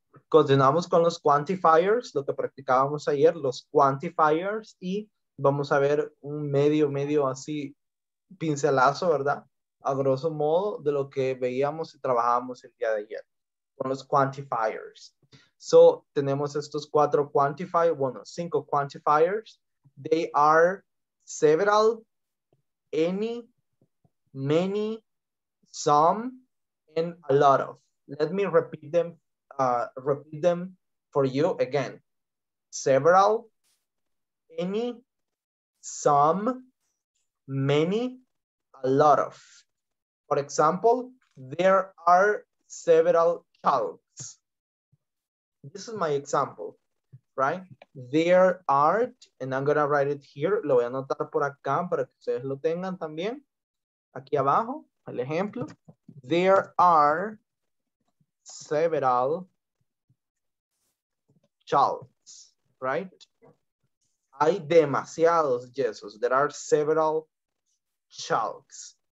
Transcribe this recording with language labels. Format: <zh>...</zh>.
<es>Continuamos con los quantifiers, lo que practicábamos ayer, los quantifiers, y vamos a ver un medio así pincelazo, ¿verdad? A grosso modo de lo que veíamos y trabajábamos el día de ayer con los quantifiers. So, tenemos estos cuatro quantifiers, bueno, cinco quantifiers.</es> <en>They are several, any, many, some, and a lot of. Let me repeat them for you again. Several, any, some, many, a lot of. For example, there are several chalks. This is my example, right? There are, and I'm going to write it here.</en> <es>Lo voy a anotar por acá para que ustedes lo tengan también. Aquí abajo, el ejemplo.</es> <en>There are several chalks, right?</en> <es>Hay demasiados yesos.</es> <en>There are several chalks.</en>